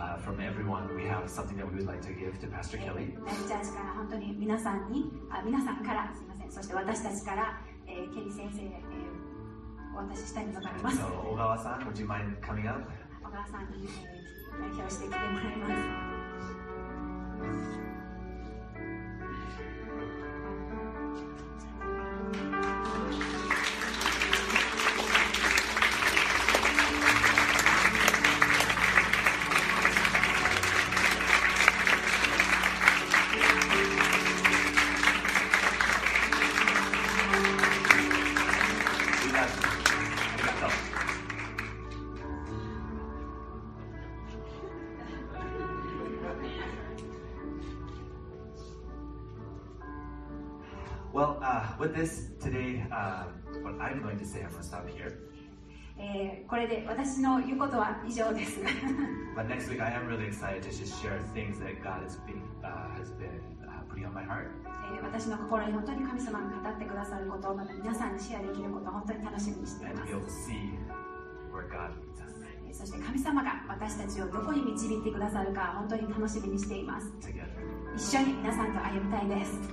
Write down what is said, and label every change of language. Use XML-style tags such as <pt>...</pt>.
<en>From everyone, we have something that we would like to give to Pastor Kelly.</en> <ja>ライフチャーチから本当に皆さんに、皆さんから、すみません。そして私たちから、ケリー先生。</ja> <en>So, Ogawa-san, would you mind coming up? Ogawa-san, would you mind coming up? Well, with this today, what I'm going to say, I'm going to stop here.</en> <ja>これで私の言うことは以上です。</ja> <en>But next week, I am really excited to just share things that God has been, putting on my heart.</en> <ja>私の心に本当に神様が語ってくださることを、また皆さんにシェアできることを本当に楽しみにしています。</ja> <en>And we'll see where God leads us.</en> <ja>そして神様が私たちをどこに導いてくださるか本当に楽しみにしています。</ja> <en>Together.</en> <ja>一緒に皆さんと歩みたいです。</ja>